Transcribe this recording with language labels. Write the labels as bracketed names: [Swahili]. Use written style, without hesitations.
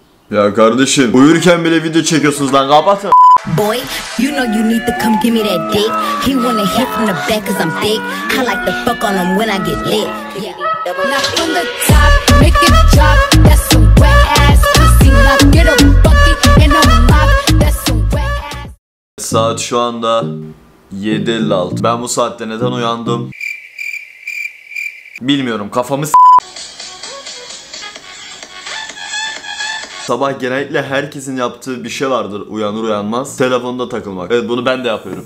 [Turkish] Ya kardeşim, uyurken bile video çekiyorsunuz lan, kapatın. [English] Boy, you know you need to come give me that dick. He wanna hit from the back cause I'm thick. I like to fuck on him when I get lit. Yeah. Not from the top, make it drop. That's some wet ass pussy. Now get a bucket and a mop. That's some wet ass. [Turkish] Saat şu anda 7:56. Ben bu saatte neden uyandım? Bilmiyorum, kafamı s***. Sabah genellikle herkesin yaptığı bir şey vardır uyanır uyanmaz. Telefonda takılmak. Evet, bunu ben de yapıyorum.